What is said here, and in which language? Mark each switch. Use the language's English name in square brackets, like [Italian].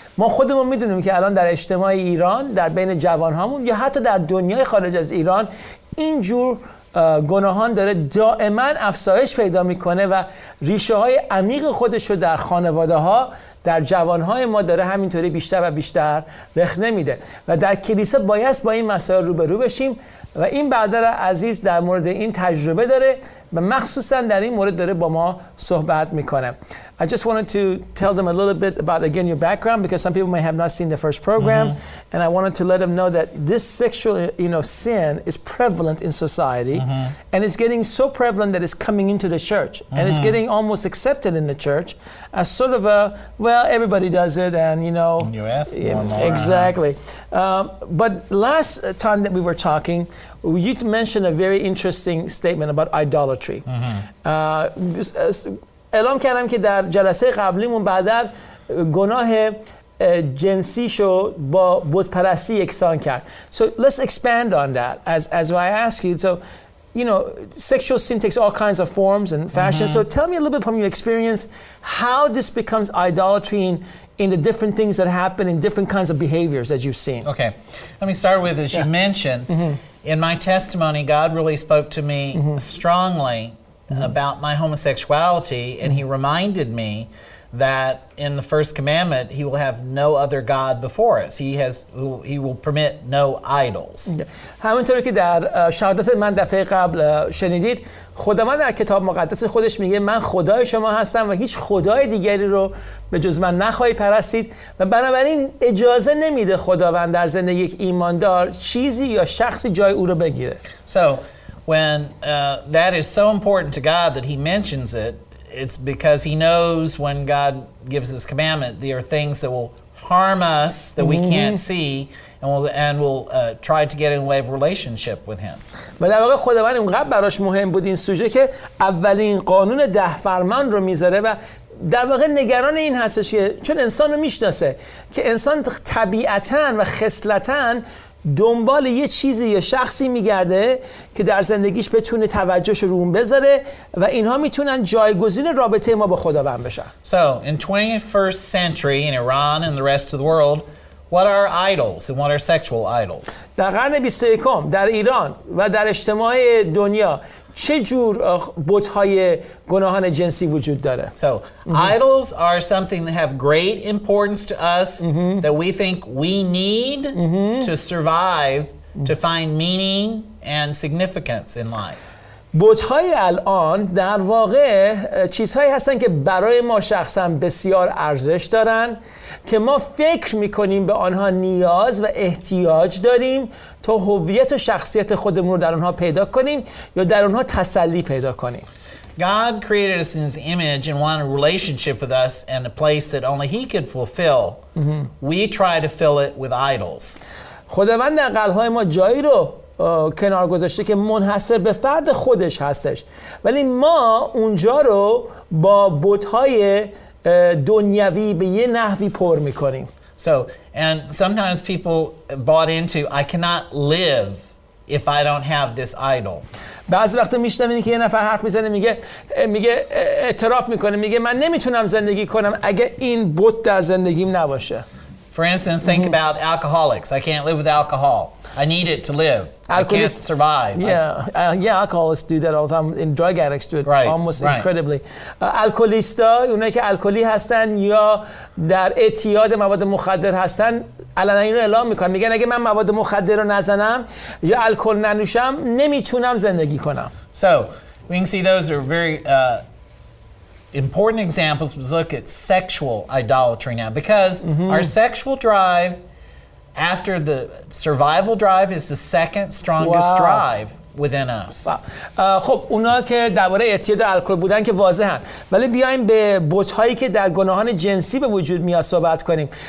[Persian] ما خودمون میدونیم که الان در اجتماع ایران در بین جوانهامون یا حتی در دنیای خارج از ایران اینجور گناهان داره دائما افزایش پیدا میکنه و ریشه های عمیق خودشو در خانواده ها در جوانهای ما داره همینطوری بیشتر و بیشتر رخنه میده و در کلیسا باید با این مسائل روبرو بشیم و این برادر عزیز در مورد این تجربه داره و مخصوصا در این مورد داره با ما صحبت میکنه. [English] I just wanted to tell them a little bit about again your background because some people may have not seen the first program and I wanted to let them know that this sexual sin is prevalent in society and it's getting so prevalent that it's coming into the church and it's getting almost accepted in the church as sort of a well everybody does it and you know and you ask more and more, exactly. But last time that we were talking you mentioned a very interesting statement about idolatry. [Persian] اعلام کردم که در جلسه قبلیمون بعد از گناه جنسیشو با بت پرستی یکسان کرد. [English] So let's expand on that. As I ask you, so you know, sexual sin takes all kinds of forms and fashion. So tell me a little bit from your experience how this becomes idolatry in the different things that happen in different kinds of behaviors that you've seen. Okay. Let me start with as you mentioned, in my testimony God really spoke to me strongly about my homosexuality, and he reminded me that in the first commandment he will have no other god before us. He will permit no idols. [Persian] همونطوری که در شهادت من دفعه قبل شنیدید خداوند در کتاب مقدس خودش میگه من خدای شما هستم و هیچ خدای دیگری رو به جز من نخواهی پرستید و بنابراین اجازه نمیده خداوند در زندگی یک ایماندار چیزی یا شخصی جای او رو بگیره. [English] So when that is so important to God that he mentions it, it's because he knows when God gives his commandment there are things that will harm us that we can't see and we'll try to get in way of relationship with him. But [Persian] در واقع خداوند اونقدر براش مهم بود این سوژه که اولین قانون ده فرمان رو میذاره و در واقع نگران این هستش که چون انسان رو میشناسه که انسان طبیعتاً و خصلتاً دنبال یه چیزی یا شخصی میگرده که در زندگیش بتونه توجهش رو اون بذاره و اینها میتونن جایگزین رابطه ما با خداوند بشن. [English] So in 21st century in Iran and the rest of the world, what are idols and what are sexual idols? [Persian] در قرن 21 در ایران و در اجتماع دنیا چه جور بت‌های گناهان جنسی وجود داره؟ [English] So idols are something that have great importance to us that we think we need to survive to find meaning and significance in life. [Persian] بت‌های الان در واقع چیزهایی هستن که برای ما شخصا بسیار ارزش دارن که ما فکر می‌کنیم به آنها نیاز و احتیاج داریم تا هویت و شخصیت خودمون رو در آنها پیدا کنیم یا در آنها تسلی پیدا کنیم. [English] God created us in his image and wanted a relationship with us and a place that only he could fulfill. We try to fill it with idols. [Persian] خداوند در قلب‌های ما جایی رو کنار گذاشته که منحصر به فرد خودش هستش ولی ما اونجا رو با بت‌های دنیوی به یه نحوی پر می‌کنیم. [English] So and sometimes people bought into I cannot live if I don't have this idol. [Persian] بعضی وقتا میشنوین که یه نفر حرف میزنه میگه اعتراف میکنه میگه من نمیتونم زندگی کنم اگه این بت در زندگیم نباشه. [English] For instance, think about alcoholics. I can't live without alcohol. I need it to live. I can't survive. Yeah, alcoholics do that all the time. And drug addicts do it almost incredibly. [Persian] Alcoholista, اونایی که الکلی هستن یا در اعتیاد مواد مخدر هستن الان اینو اعلام میکنن. میگن اگه من مواد مخدر رو نزنم یا الکل ننوشم نمیتونم زندگی کنم. [English] So, we can see those are very important examples. Let's look at sexual idolatry now, because our sexual drive after the survival drive is the second strongest drive within us. [Persian] خب اونا که درباره اعتیاد الکل بودن که واضحن، ولی بیایم به بت‌هایی که در گناهان جنسی به وجود میاد صحبت کنیم.